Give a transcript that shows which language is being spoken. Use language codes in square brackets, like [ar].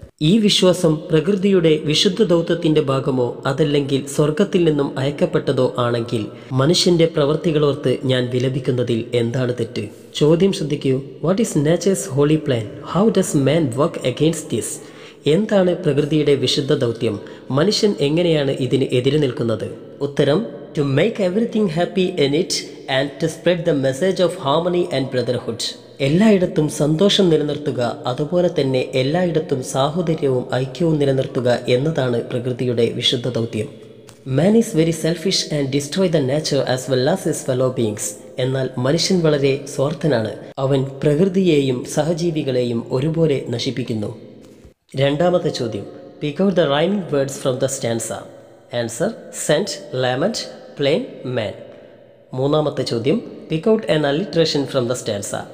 [ml] ഈ വിശ്വാസം പ്രകൃതിയുടെ വിശുദ്ധ ദൗത്യത്തിൻ്റെ ഭാഗമോ അതല്ലെങ്കിൽ സ്വർഗത്തിൽ നിന്നും അയക്കപ്പെട്ടതോ ആണെങ്കിൽ മനുഷ്യൻ്റെ പ്രവൃത്തികളോർത്ത് ഞാൻ വിലപിക്കുന്നതിൽ എന്താണ് തെറ്റ്? ചോദ്യം ശ്രദ്ധിക്കൂ. [en] What is nature's holy plan? How does man work against this? [ml] എന്താണ് പ്രകൃതിയുടെ വിശുദ്ധ ദൗത്യം? മനുഷ്യൻ എങ്ങനെയാണ് ഇതിന് എതിരെ നിൽക്കുന്നത്? ഉത്തരം, [en] to make everything happy in it and to spread the message of harmony and brotherhood. [ml] എല്ലായിടത്തും സന്തോഷം നിലനിർത്തുക, അതുപോലെ തന്നെ എല്ലായിടത്തും സാഹോദര്യവും ഐക്യവും നിലനിർത്തുക എന്നതാണ് പ്രകൃതിയുടെ വിശുദ്ധ ദൗത്യം. [en] Man is very selfish and destroys the nature as well as his fellow beings. [ml] എന്നാൽ മനുഷ്യൻ വളരെ സ്വാർത്ഥനാണ്, അവൻ പ്രകൃതിയെയും സഹജീവികളെയും ഒരുപോലെ നശിപ്പിക്കുന്നു. രണ്ടാമത്തെ ചോദ്യം, [en] Pick out the rhyming words from the stanza. Answer: sent, lament, plain, man. [ml] മൂന്നാമത്തെ ചോദ്യം, [en] Pick out an alliteration from the stanza.